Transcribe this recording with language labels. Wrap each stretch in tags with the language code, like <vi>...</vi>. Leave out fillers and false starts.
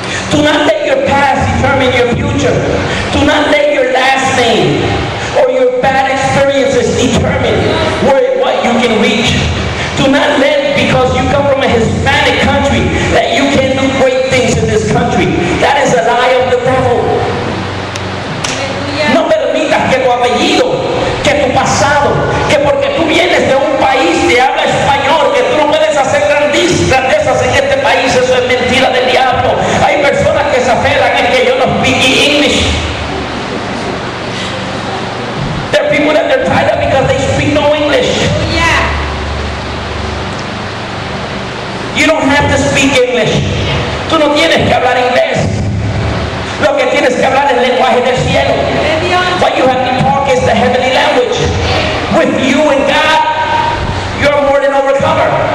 <en>Do not let your past determine your future. Do not let your last name or your bad experiences determine where, what you can reach. Do not let, because you come from a Hispanic country, that you can do great things in this country. That is a lie of the devil.</en> <es>No permitas que tu apellido, que tu pasado, que porque tú vienes de un país que habla español, que tú no puedes hacer grandezas en este país. Eso es mentira del diablo. Hay personas que se apelan en que yo no</es> <en>speak English. There are people that are tired of because they speak no English. You don't have to speak English.</en> <es>Tú no tienes que hablar inglés. Lo que tienes que hablar es lenguaje del cielo.</es> <en>What you have to talk is the heavenly language. With you and God, you are more than overcomer.</en>